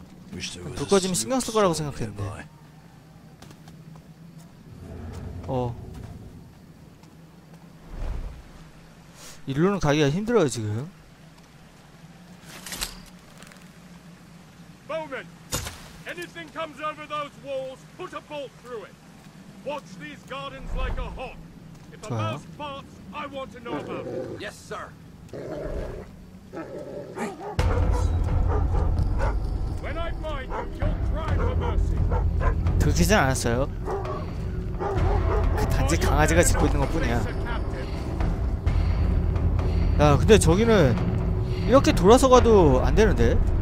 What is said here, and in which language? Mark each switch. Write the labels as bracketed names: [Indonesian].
[Korean] 불 꺼지면 신경 쓸 거라고 생각했는데. 어. 이리로는 가기가 힘들어요, 지금. [English] Bowman, anything comes over those walls, put a bolt through it. Watch these gardens like a hawk. If the mouse parts, I want to know about it. Yes, sir. When I find you, you'll cry for mercy. [Korean] 들키진 않았어요. 그 단지 강아지가 짖고 있는 것뿐이야. 야, 근데 저기는 이렇게 돌아서 가도 안 되는데?